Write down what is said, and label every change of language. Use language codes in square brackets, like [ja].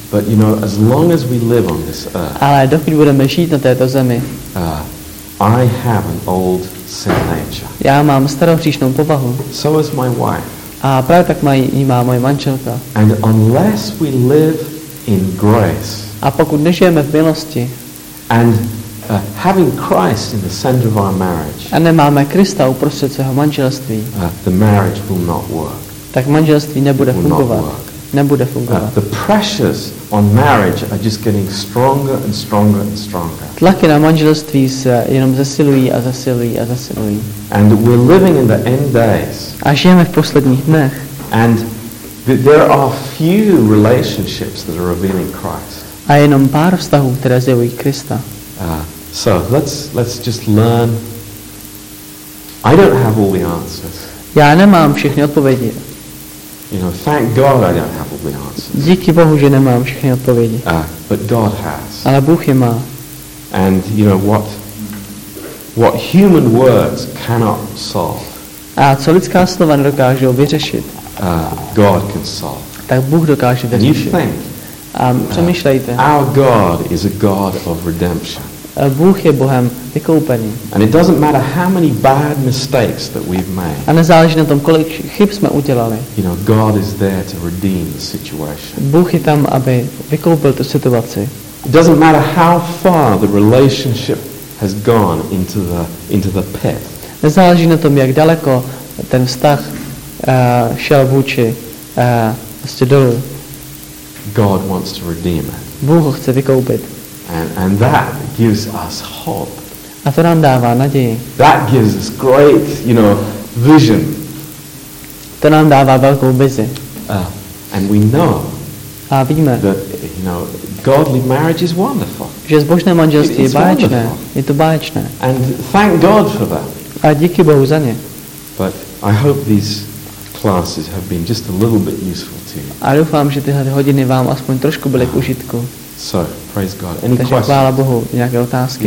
[en] But you know, as long as we live on this earth. [cs] Ale dokud budeme žít na této zemi. [en] I have an old sin nature. [cs] Já mám starou hříšnou povahu. [en] So is my wife. [cs] A právě tak má moje manželka. [en] And unless we live in grace. [cs] A pokud nežijeme v milosti. [en] And having Christ in the center of our marriage. [cs] A nemáme Krista uprostřed svého manželství. [en] The marriage will not work. [cs] Tak manželství nebude fungovat. Nebude fungovat. [en] The pressures on marriage are just getting stronger and stronger and stronger. [cs] Tlaky na manželství se jenom zesilují a zesilují a zesilují. [en] And we're living in the end days. [cs] A žijeme v posledních dnech. [en] And there are few relationships that are revealing Christ. [cs] A jenom pár vztahů, které zjevují Krista. [en] So let's just learn. I don't have all the answers. [cs] Já nemám všechny odpovědi. [en] You know, thank God I don't have all the answers. [cs] Díky Bohu, že nemám všechny odpovědi. [en] But God has. [cs] Ale Bůh je má. [en] And you know what human words cannot solve. [cs] A co lidská slova nedokážou vyřešit. [en] God can solve. [cs] Tak Bůh dokáže vyřešit. [en] And you think. [cs] A přemýšlejte. [en] Our God is a God of redemption. [cs] Bůh je Bohem vykoupený. [en] And it doesn't matter how many bad mistakes that we've made. [cs] A nezáleží na tom, kolik chyb jsme udělali. [en] You know, God is there to redeem the situation. [cs] Bůh je tam, aby vykoupil tu situaci. [en] It doesn't matter how far the relationship has gone into the pit. [cs] Nezáleží na tom, jak daleko ten vztah šel vůči prostě dolů. [en] God wants to redeem it. [cs] Bůh ho chce vykoupit. [en] And that gives us hope. [cs] A to nám dává naději. [en] That gives us great, you know, vision. [cs] To nám dává velkou vizi. [en] And we know. [cs] A víme. [en] That, you know, godly marriage is wonderful. [cs] Že zbožné manželství je báječné. Je to báječné. [en] And thank God for that. [cs] A díky Bohu za ně. [en] But I hope these classes have been just a little bit useful to you. [cs] A doufám, že tyhle hodiny vám aspoň trošku byly k užitku. [en] So, praise God. Any [cs] takže [en] questions? [cs] Chvála Bohu, nějaké otázky?